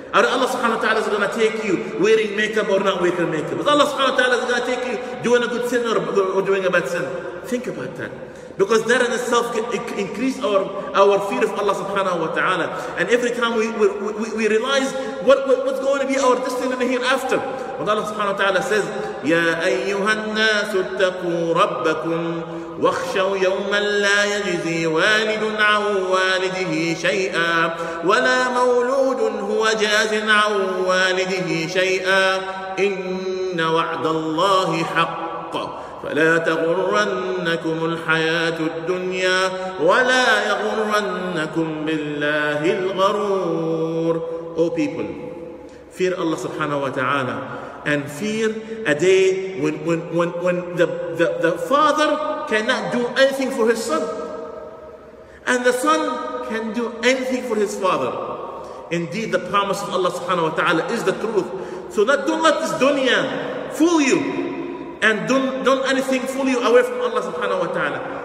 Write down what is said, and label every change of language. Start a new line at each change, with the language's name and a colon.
English: Are Allah subhanahu wa ta'ala is going to take you wearing makeup or not wearing makeup? Is Allah subhanahu wa ta'ala is going to take you doing a good sin or doing a bad sin? Think about that. Because that in itself can increase our fear of Allah subhanahu wa ta'ala. And every time we realize what's going to be our destiny in the hereafter. When Allah subhanahu wa ta'ala says,
Arabic: يَا أَيُّهَا النَّاسُ اتَّقُوا رَبَّكُمْ وَاخْشَوْا يَوْمًا لَا يَجْزِي وَالِدٌ عَنْ وَالِدِهِ شَيْئًا وَلَا مَوْلُودٌ هُوَ جَازٍ عَنْ وَالِدِهِ شَيْئًا إِنَّ وَعْدَ اللَّهِ حَقٌّ فَلَا تَغُرَّنَّكُمُ الْحَيَاةُ الدُّنْيَا وَلَا يَغُرَّنَّكُمْ بِاللَّهِ الْغَرُورِ.
English: O people, fear Allah subhanahu wa ta'ala and fear a day when the father cannot do anything for his son, and the son can do anything for his father. Indeed, the promise of Allah subhanahu wa ta'ala is the truth. So don't let this dunya fool you, and don't anything fool you away from Allah subhanahu wa ta'ala.